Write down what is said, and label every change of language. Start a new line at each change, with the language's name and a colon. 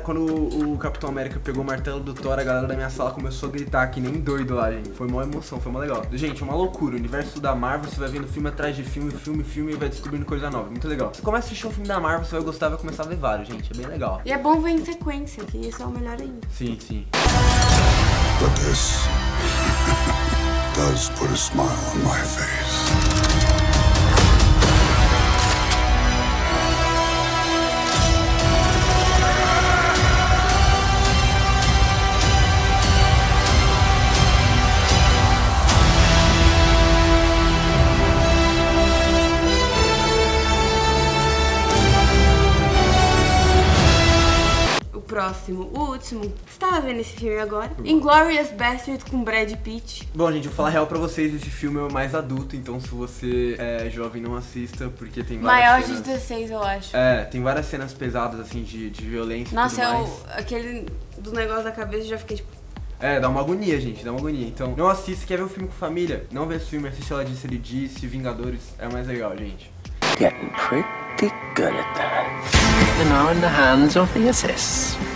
Portuguese: Quando o Capitão América pegou o martelo do Thor, a galera da minha sala começou a gritar que nem doido lá, gente. Foi mó emoção, foi mó legal. Gente, é uma loucura. O universo da Marvel, você vai vendo filme atrás de filme, filme, filme, e vai descobrindo coisa nova. Muito legal. Você começa a assistir um filme da Marvel, você vai gostar, vai começar a ver vários, gente. É bem legal. E é bom ver em sequência, que isso é o melhor ainda. Sim, sim.
English: But this does put a smile on my face.
Portuguese: Próximo, o último. Você tava vendo esse filme agora? Inglourious Basterds com Brad Pitt. Bom, gente, vou falar real pra vocês. Esse filme é mais adulto, então se você é jovem, não assista, porque tem várias maior cenas... de 16, eu acho. É, tem várias cenas pesadas, assim, de violência. Nossa, e tudo mais. Aquele do negócio da cabeça, eu já fiquei, tipo... É, dá uma agonia, gente, dá uma agonia. Então, não assista, quer ver um filme com família? Não vê esse filme, assiste Ela Disse, Ele Disse, Vingadores. É mais legal, gente.
English: Getting pretty good at that. And now in the hands of the SS.